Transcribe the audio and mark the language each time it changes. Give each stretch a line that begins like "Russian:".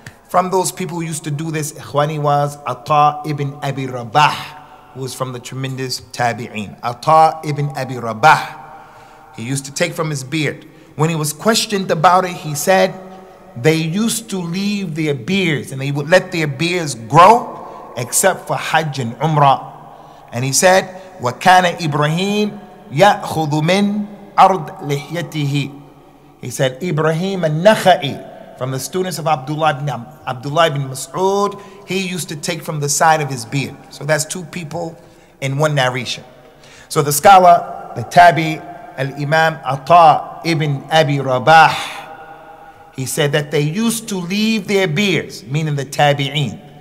English: From those people who used to do this, Ikhwani, was Atta ibn Abi Rabah, who was from the tremendous Tabi'een. Atta ibn Abi Rabah, he used to take from his beard. When he was questioned about it, he said, they used to leave their beards and they would let their beards grow except for Hajj and Umrah. And he said,
Arabic: وَكَانَ إِبْرَهِيمُ يَأْخُذُ مِنْ أَرْضْ لِحْيَتِهِ.
English: He said, Ibrahim al-Nakhai, from the students of Abdullah ibn Mas'ud, he used to take from the side of his beard. So that's two people in one narration. So the scholar, the Tabi, al-Imam Atta ibn Abi Rabah, he said that they used to leave their beards, meaning the Tabi'een.